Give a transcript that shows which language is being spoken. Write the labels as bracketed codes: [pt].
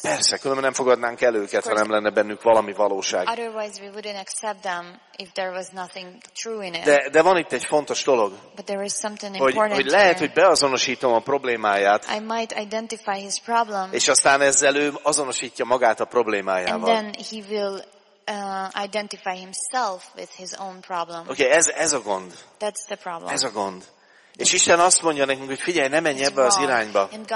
[hu] Persze, különben nem fogadnánk el őket, ha nem lenne bennük valami valóság. [en] Otherwise we wouldn't accept them if there was nothing true in it. [hu] De van itt egy fontos dolog. [en] But there is something important. [hu] Hogy lehet, hogy beazonosítom a problémáját. [en] I might identify his problem. [hu] És aztán ezzel ő azonosítja magát a problémájával. [en] And then he will identify himself with his own problem. [hu] Okay, ez a gond. [en] That's the problem. [hu] Ez a gond. És Isten azt mondja nekünk, hogy figyelj, ne menj ebbe az irányba.